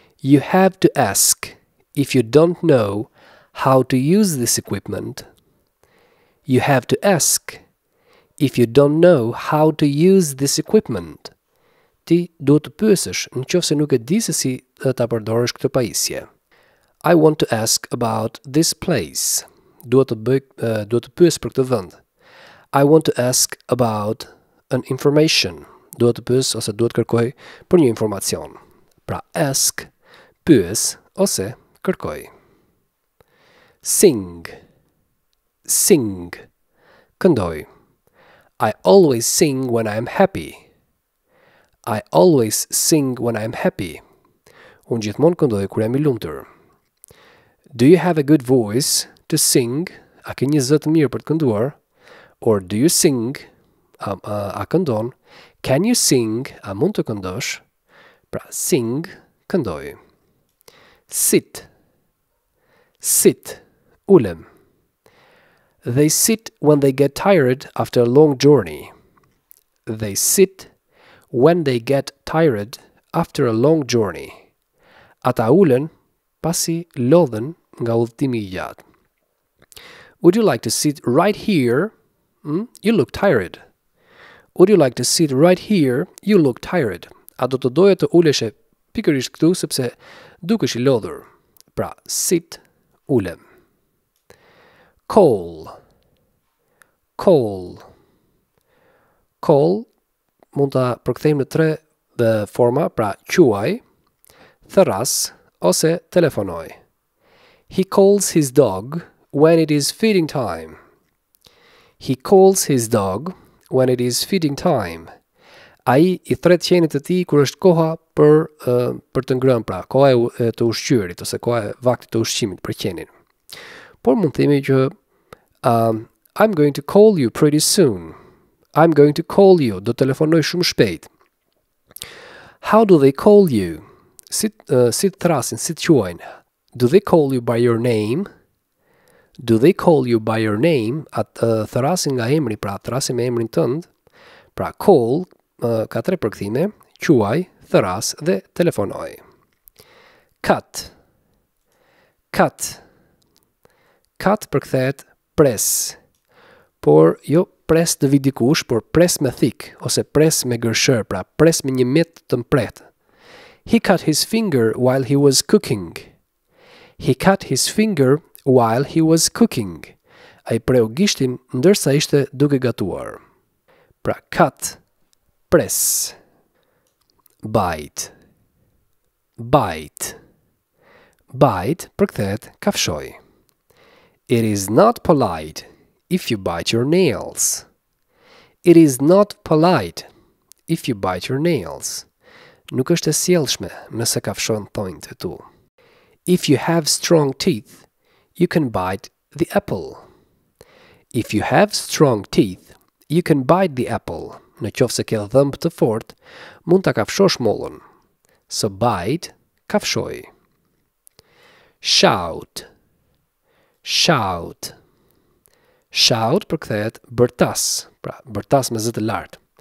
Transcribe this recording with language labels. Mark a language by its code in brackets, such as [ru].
[en] You have to ask if you don't know how to use this equipment. You have to ask if you don't know how to use this equipment. [sq] Ti duhet të pyesësh nëse nuk e di se si ta përdorësh këtë pajisje. [en] I want to ask about this place. [sq] Duhet të pyes për këtë vend. [en] I want to ask about an information. [sq] Duhet të pyes ose duhet kërkoj për një informacion. Pra ask, pyes ose kërkoj. Sing. Sing. Këndoj. [en] I always sing when I am happy. I always sing when I am happy. [sq] Unë gjithmonë këndoj kur jam I lumtur. [en] Do you have a good voice to sing? [sq] A ke një zë të mirë për të kënduar? [en] Or do you sing? [sq] A këndon? [en] Can you sing? [sq] A mund të këndosh? Pra sing, këndoj. Sit. Sit. Ulem. [en] They sit when they get tired after a long journey. They sit when they get tired after a long journey. [sq] Ata ulen pasi lodhen nga udhëtimi I gjatë. [en] Would you like to sit right here? You look tired. Would you like to sit right here? You look tired. [sq] A do të doje të uleshe pikërisht këtu sepse dukesh I lodhur. Pra, sit, ulem. Call. Call. Call mund ta përkthejmë në tre forma, pra quaj, thërras ose telefonoj. [en] He calls his dog when it is feeding time. He calls his dog when it is feeding time. [sq] Ai I thret qenit të tij kur është koha për të ngrënë, pra koha e të ushqyerit ose koha e vaktit të ushqimit për qenin. Por mund të themi që [en] I'm going to call you pretty soon. I'm going to call you. [sq] Do telefonoj shumë shpejt. [en] How do they call you? [sq] Si thrasin, si quajnë? [en] Do they call you by your name? Do they call you by your name? [sq] Thrasin nga emri, pra thrasin me emrin tënd. Pra call, ka tre përkthime, quaj, thras dhe telefonoj. Cut. Cut. Cut përkthehet pres. Por jo pres të vidikush, por pres me thik, ose pres me gërshër, pra pres me një mjet të mpret. [en] He cut his finger while he was cooking. He cut his finger while he was cooking. [sq] Ai preu gishtin ndërsa ishte duke gatuar. Pra cut, pres. Bite. Bite. Bite përkthehet kafshoj. [en] It is not polite if you bite your nails. It is not polite if you bite your nails. [sq] Nuk është e sjellshme nëse kafshon thonjtë e tu. [en] If you have strong teeth, you can bite the apple. If you have strong teeth, you can bite the apple. [sq] Në qoftë se ke dhëmb të fort, mund ta kafshosh mollën. [en] So bite, kafshoj. Shout. Shout. [sq] Shout përkthehet bërtas, pra bërtas me zë të lartë.